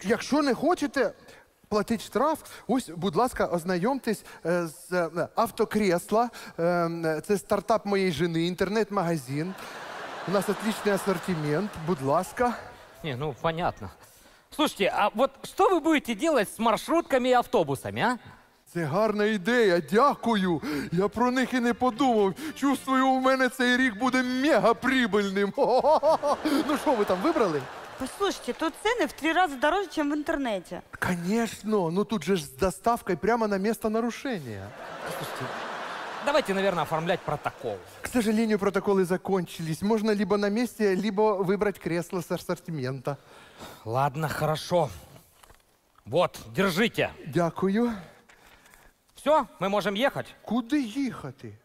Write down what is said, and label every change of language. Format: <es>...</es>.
<ru>Если не хотите платить штраф, ось,</ru> <uk>будь ласка, ознайомтесь</uk> <ru>с автокресла. Это стартап моей жены, интернет-магазин. У нас отличный ассортимент,</ru> <uk>будь ласка.</uk> <ru>Не, ну понятно. Слушайте, а вот что вы будете делать с маршрутками и автобусами, а?</ru> <uk>Це гарна ідея, дякую. Я про них і не подумав. Чувствую, у мене цей рік буде мегаприбильним. Ну що ви там вибрали? Послушайте, тут ціни в три рази дорожче, ніж в інтернеті. Звісно, ну тут же ж з доставкою прямо на місце нарушення.</uk> <ru>Послушайте. Давайте, наверное, оформлять протокол. К сожалению, протоколы закончились. Можно либо на месте, либо выбрать кресло с ассортимента. Ладно, хорошо. Вот, держите.</ru> <uk>Дякую.</uk> <ru>Все, мы можем ехать. Куда ехать?</ru>